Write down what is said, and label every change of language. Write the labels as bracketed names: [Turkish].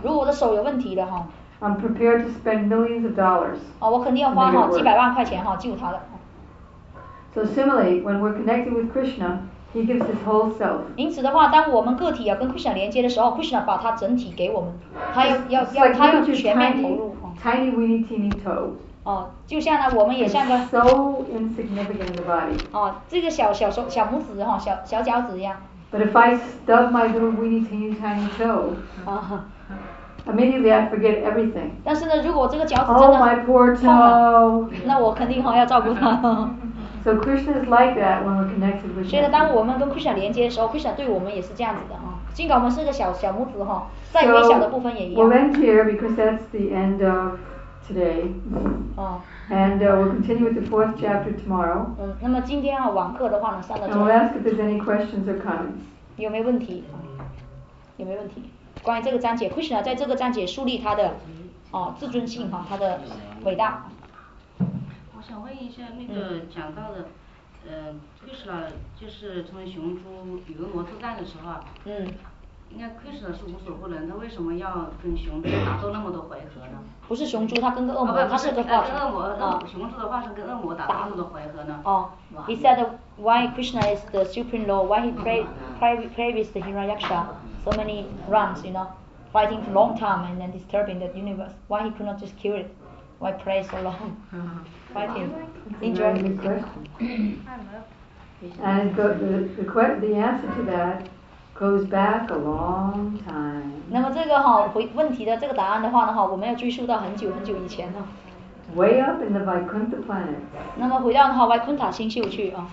[Chinese] 如果我的手有问题的哈 [English] ，I'm prepared to spend millions of dollars. [Chinese] 我肯定要花几百万块钱救它的。 [English] So similarly, when we're connected with Krishna, he gives his whole self. [Chinese] 因此的话，当我们个体跟 Krishna 连接的时候 ，Krishna 把它整体给我们，他要全面投入。 [English] Tiny, weeny, teeny toe. [Chinese] 就像呢，我们也像个 [English] so insignificant in the body. [Chinese] 这个小拇指小脚趾一样。 [English] But if I stub my little weeny, teeny, tiny toe, immediately I forget everything. [Chinese] 但是呢，如果这个脚趾真的 [English] Oh, my poor toe. [Chinese] 那我肯定要照顾它。 [English] So Krishna is like that when we're connected with Him. [Chinese] 所以当我们跟 Krishna 连接的时候 ，Krishna 对我们也是这样子的尽管我们是个小拇指再微小的部分也一样。 [English] So we'll end here because that's the end of today. And we'll continue with the fourth chapter tomorrow. [Chinese] 那么今天网课的话呢，上到。 [English] And we'll ask if there's any questions or comments. [Chinese] 有没有问题？有没有问题？关于这个章节 ，Krishna 在这个章节树立他的自尊心他的伟大。想问一下那个讲到的Krishna 就是从雄猪羽绒膜作战的时候，嗯，应该 Krishna 是无所不能，他为什么要跟雄猪打斗那么多回合呢？不是雄猪，他跟个恶魔，他是个化身。跟恶魔，雄猪的化身跟恶魔打斗那么多回合呢？ [English] He said why Krishna is the supreme lord, why he praised the Hiranyaksha so many rounds, you know, fighting for long time and then disturbing the universe. Why he could not just kill it? Why pray so long? Fighting. Enjoy. Good question. And the answer to that goes back a long time. [Chinese] 那么这个哈回问题的这个答案的话呢哈，我们要追溯到很久很久以前呢。 [English] Way up in the Vaikuntha planet. [Chinese] 那么回到哈维昆塔星宿去啊。